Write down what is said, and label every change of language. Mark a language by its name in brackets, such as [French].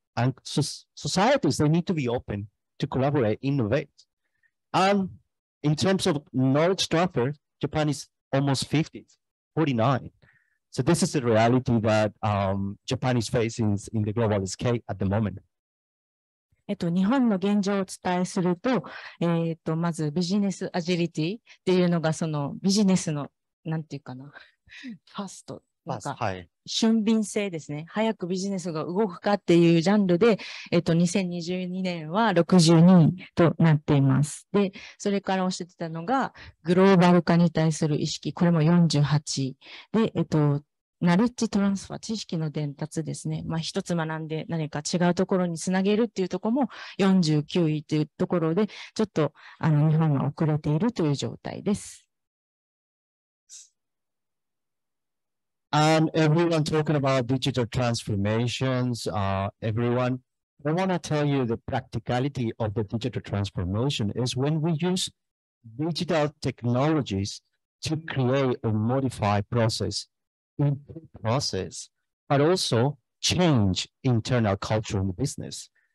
[English] And societies, they need to be open to collaborate, innovate. And in terms of knowledge transfer,Japan is almost 50, 49. So this is the reality that Japan is facing in the global scale at the moment. [Japanese] 日本の現状をお伝えすると、まずビジネスアジリティっていうのがそのビジネスのなんていうかな、ファースト。なんか俊敏性ですね、はい、早くビジネスが動くかっていうジャンルで、2022年は62位となっています。で、それからおっしゃってたのが、グローバル化に対する意識、これも48位。で、ナレッジトランスファー、知識の伝達ですね、まあ、一つ学んで何か違うところにつなげるっていうところも49位というところで、ちょっと日本は遅れているという状態です。 [English] And everyone talking about digital transformations, everyone, I want to tell you the practicality of the digital transformation is when we use digital technologies to create or modify process, input process, but also change internal culture in the business.